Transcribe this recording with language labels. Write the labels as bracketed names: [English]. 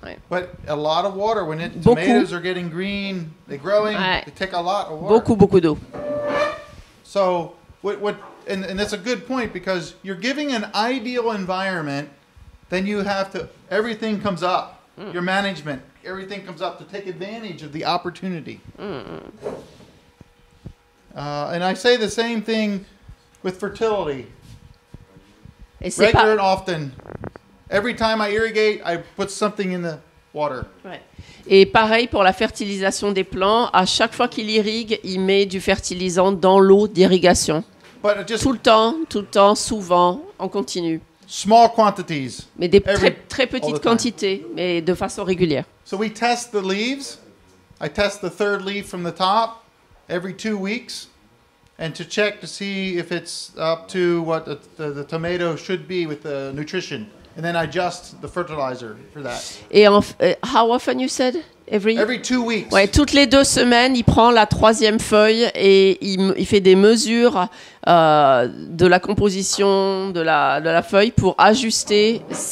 [English] But a lot of water when tomatoes are getting green, they're growing. [French] Ouais. [English] They take a lot of water. [French] Beaucoup, beaucoup d'eau. [English] So what, and that's a good point because you're giving an ideal environment, then you have to everything comes up. Your management. Everything comes up to take advantage of the opportunity. And I say the same thing with fertility. Regular and often. Every time I irrigate, I put something in the water. [French] Ouais. Et pareil pour la fertilisation des plants. À chaque fois qu'il irrigue, il met du fertilisant dans l'eau d'irrigation. [English] But [French] tout le temps, souvent, en continu. [English] Small quantities. [French] Mais des très petites quantités, mais de façon régulière. [English] So we test the leaves. I test the third leaf from the top every 2 weeks, and to check to see if it's up to what the tomato should be with the nutrition, and then I adjust the fertilizer for that. [French] Et [English] how often you said? Every 2 weeks. [French] Ouais, toutes les 2 semaines, il prend la troisième feuille et il fait des mesures de la composition de la feuille pour ajuster